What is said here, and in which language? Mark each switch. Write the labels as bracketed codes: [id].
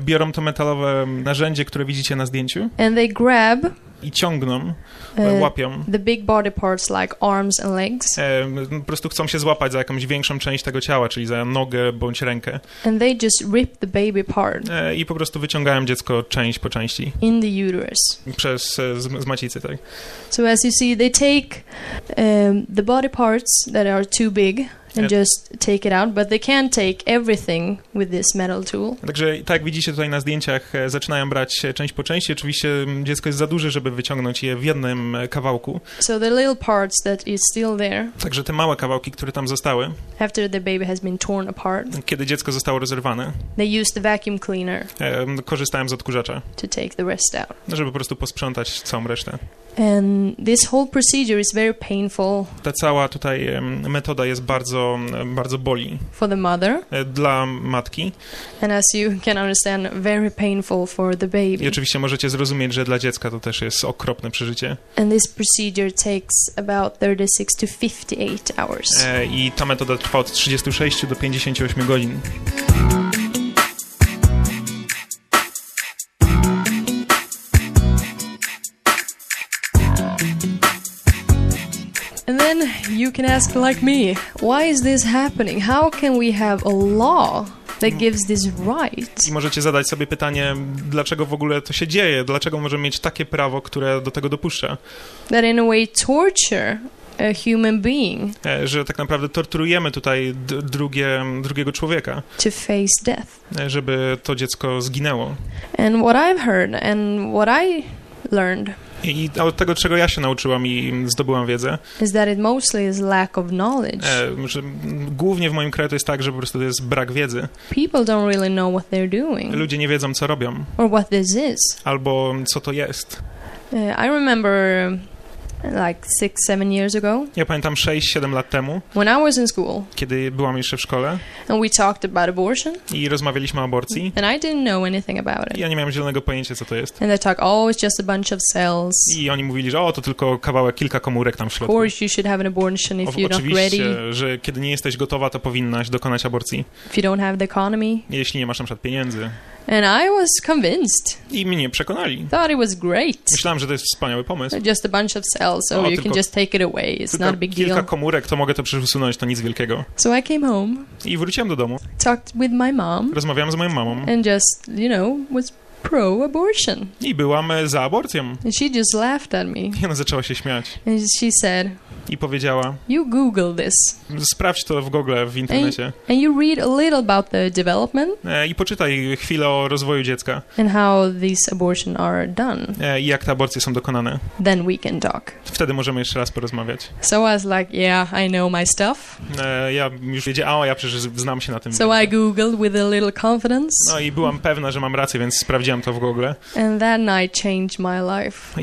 [pl] Biorą to metalowe narzędzie, które widzicie na zdjęciu. [en] And they grab. [pl] I ciągną, łapią. [en] The big body parts like arms and legs. [pl] Po prostu chcą się złapać za jakąś większą część tego ciała, czyli za nogę bądź rękę. [en] And they just rip the baby apart. [pl] I po prostu wyciągają dziecko część po części. [en] In the uterus. [pl] Przez z macicy, tak. [en] So as you see, they take the body parts that are too big. And just take it out, but they can't take everything with this metal tool. [pl] Także tak jak widzicie tutaj na zdjęciach, zaczynają brać część po części. Oczywiście dziecko jest za duże, żeby wyciągnąć je w jednym kawałku. [en] So the little parts that is still there. [pl] Także te małe kawałki, które tam zostały. [en] After the baby has been torn apart. [pl] Kiedy dziecko zostało rozerwane. [en] They use the vacuum cleaner. [pl] Korzystają z odkurzacza. [en] To take the rest out. [pl] Żeby po prostu posprzątać całą resztę. [en] And this whole procedure is very painful. [pl] Ta cała tutaj metoda jest bardzo, bardzo boli. [en] For the mother. [pl] Dla matki. [en] And as you can understand, very painful for the baby. [pl] I oczywiście możecie zrozumieć, że dla dziecka to też jest okropne przeżycie. [en] And this procedure takes about 36 to 58 hours. [pl] I ta metoda trwa od 36 do 58 godzin. [en] You can ask like me, why is this happening? How can we have a law that gives this right? [pl] I możecie zadać sobie pytanie, dlaczego w ogóle to się dzieje? Dlaczego możemy mieć takie prawo, które do tego dopuszcza? [en] That in a way torture a human being. [pl] Że tak naprawdę torturujemy tutaj drugiego człowieka. [en] To face death. [pl] Żeby to dziecko zginęło. [en] And what I've heard and what I learned. [pl] I od tego, czego ja się nauczyłam i zdobyłam wiedzę, [en] is that it mostly is lack of knowledge. [pl] Że głównie w moim kraju to jest tak, że po prostu to jest brak wiedzy. [en] People don't really know what they're doing. [pl] Ludzie nie wiedzą, co robią. [en] Or what this is. [pl] Albo co to jest. [en] I remember like 6-7 years ago. [pl] Ja pamiętam 6-7 lat temu. [en] When I was in school. [pl] Kiedy byłam jeszcze w szkole. [en] And we talked about abortion. [pl] I rozmawialiśmy o aborcji. [en] And I didn't know anything about it. [pl] Ja nie miałem zielonego pojęcia, co to jest. [en] And they talked, oh, it's just a bunch of cells. [pl] I oni mówili, że o, to tylko kawałek, kilka komórek tam w środku. [en] Of course you should have an abortion if you're not ready. [pl] Oczywiście, że kiedy nie jesteś gotowa, to powinnaś dokonać aborcji. [en] If you don't have the economy. [pl] Jeśli nie masz na przykład pieniędzy. [en] And I was convinced. [pl] I mnie przekonali. [en] Thought it was great. [pl] Myślałam, że to jest wspaniały pomysł. [en] Just a bunch of cells, so you can just take it away. It's not a big deal. [pl] Kilka komórek, to mogę to przesunąć, to nic wielkiego. [en] So I came home. [pl] I wróciłam do domu. [en] Talked with my mom. [pl] Rozmawiałam z moją mamą. [en] And just, you know, was pro-abortion. [pl] I byłam za aborcją. [en] And she just laughed at me. [pl] I ona zaczęła się śmiać. [en] And she said. [pl] I powiedziała. [en] You Google this. [pl] Sprawdź to w Google, w internecie. [en] And you read a little about the development. [pl] I poczytaj chwilę o rozwoju dziecka. [en] And how these abortions are done. [pl] I jak te aborcje są dokonane. [en] Then we can talk. [pl] Wtedy możemy jeszcze raz porozmawiać. [en] So I was like, yeah, I know my stuff. [pl] Ja już wiedziałam, ja przecież znam się na tym. [en] So I googled with a little confidence. [pl] No i byłam pewna, że mam rację, więc sprawdziłam to w Google. [en] And that night changed my life.